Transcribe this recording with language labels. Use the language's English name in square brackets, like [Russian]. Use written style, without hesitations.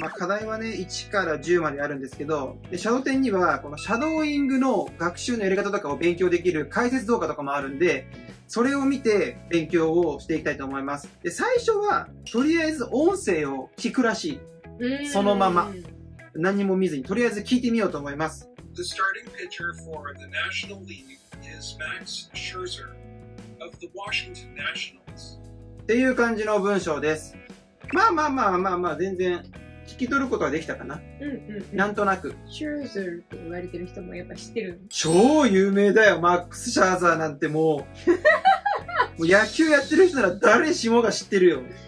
[Japanese] まあ課題はね、1から10まであるんですけど、で、シャドテンには、このシャドーイングの学習のやり方とかを勉強できる解説動画とかもあるんで、それを見て勉強をしていきたいと思います。で、最初は、とりあえず音声を聞くらしい。そのまま。何も見ずに、とりあえず聞いてみようと思います。 [English] The starting pitcher for the National League is Max Scherzer of the Washington Nationals. [Japanese] っていう感じの文章です。まあまあまあまあまあ全然聞き取ることはできたかな。なんとなく。シューズルって言われてる人もやっぱ知ってる。超有名だよ、マックス・シャーザーなんてもう。もう野球やってる人なら誰しもが知ってるよ。